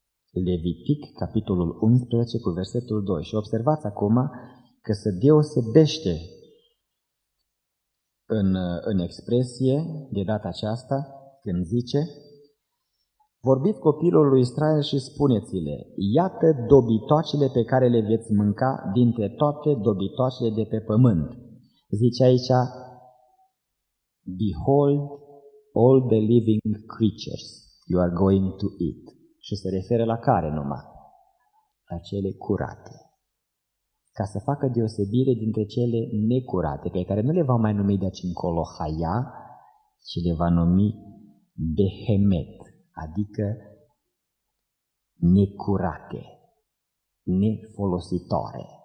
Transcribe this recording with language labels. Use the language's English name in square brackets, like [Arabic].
[Romanian] Levitic, capitolul 11, cu versetul 2. Și observați acum că se deosebește în expresie de data aceasta când zice: vorbiți copilul lui Israel și spuneți-le, iată dobitoacele pe care le veți mânca dintre toate dobitoacele de pe pământ. Zice aici, [English] behold all the living creatures you are going to eat. [Romanian] Și se referă la care numai? La cele curate. Ca să facă deosebire dintre cele necurate, pe care nu le va mai numi de aici încolo haya, ci le va numi behemet, adică necurate, nefolositoare.